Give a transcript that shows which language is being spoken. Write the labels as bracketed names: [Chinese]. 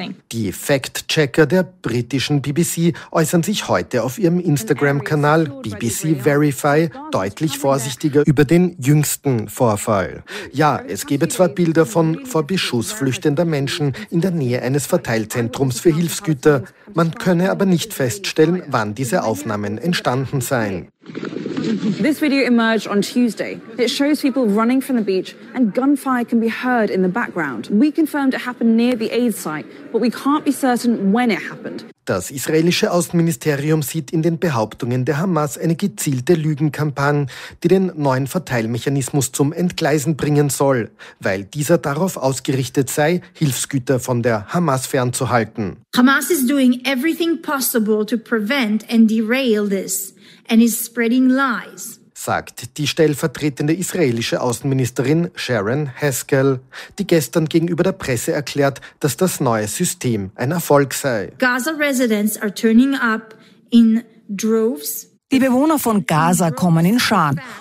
[German] Die Fact-Checker der britischen BBC äußern sich heute auf ihrem Instagram-Kanal BBC Verify deutlich vorsichtiger über den jüngsten Vorfall. Ja, es gebe zwar Bilder von vor Beschuss flüchtender Menschen in der Nähe eines Verteilzentrums für Hilfsgüter, man könne aber nicht feststellen, wann diese Aufnahmen entstanden seien. [English] This video emerged on Tuesday. It shows people running from the beach and gunfire can be heard in the background. We confirmed it happened near the aid site, but we can't be certain when it happened. [German] Das israelische Außenministerium sieht in den Behauptungen der Hamas eine gezielte Lügenkampagne, die den neuen Verteilmechanismus zum Entgleisen bringen soll, weil dieser darauf ausgerichtet sei, Hilfsgüter von der Hamas fernzuhalten. [English] Hamas is doing everything possible to prevent and derail this and is spreading lies. [German] Sagt die stellvertretende israelische Außenministerin Sharon Haskell, die gestern gegenüber der Presse erklärt, dass das neue System ein Erfolg sei. [English] Gaza residents are turning up in droves. [German] Die Bewohner von Gaza kommen in Scharen